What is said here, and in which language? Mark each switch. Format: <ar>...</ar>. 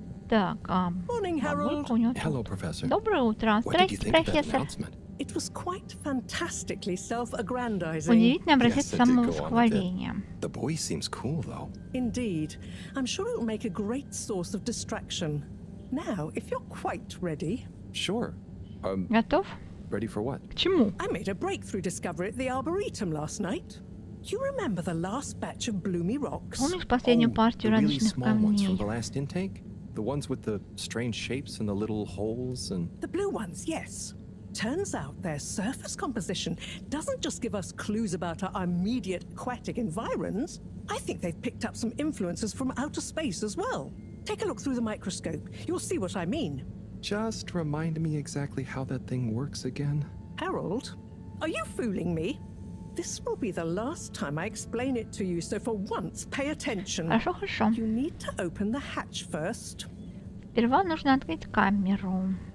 <ru>Так,</ru> <en>Morning, Harold. Hello, Professor.</en> <ru>Доброе утро. Здравствуйте, профессор.</ru> <en>It was quite fantastically self-aggrandizing.</en> <ru>Удивительный образец самовосхваления.</ru> <en>The boy seems cool, though. Indeed. I'm sure it'll make a great source of distraction. Now, if you're quite ready. Sure.</en> <ru>Готов?</ru> <en>Ready for what?</en> <ru>К чему?</ru> <en>I made a breakthrough discovery at the Arboretum last night. You remember the last batch of bloomy rocks?</en> <ru>Помнишь последнюю партию радужных камней?</ru> <en>The really small ones from the last intake? The ones with the strange shapes and the little holes and... The blue ones, yes. Turns out their surface composition doesn't just give us clues about our immediate aquatic environs. I think they've picked up some influences from outer space as well. Take a look through the microscope. You'll see what I mean. Just remind me exactly how that thing works again. Harold, are you fooling me? This will be the last time I explain it to you, so for once, pay attention.</en> <ru>Хорошо, хорошо.</ru> <en>You need to open the hatch first.</en> <ru>Сперва нужно открыть камеру.</ru>